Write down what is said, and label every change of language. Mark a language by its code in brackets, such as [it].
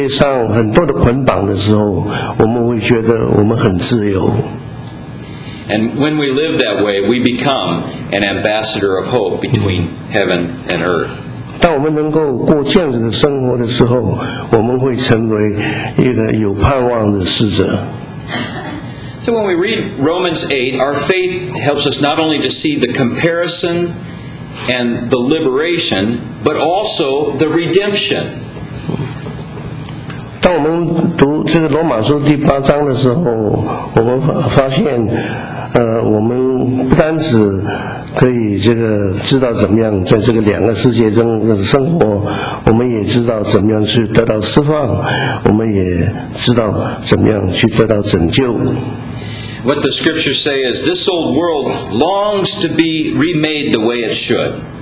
[zh] 当我们能够脱离这个世界上很多的捆绑的时候， 我们会觉得我们很自由。 [en] And when we live that way, we become an ambassador of hope between heaven and earth. [zh] 当我们能够过这样子的生活的时候， 我们会成为一个有盼望的使者。 [en] So when we read Romans 8, our faith helps us not only to see the comparison and the liberation, but also the redemption. [zh] 当我们读这个罗马书第八章的时候，我们发现， 我们不单只可以这个知道怎么样在这个两个世界中的生活，我们也知道怎么样去得到释放，我们也知道怎么样去得到拯救。 [en] What the scriptures say is this old world longs to be remade the way it should.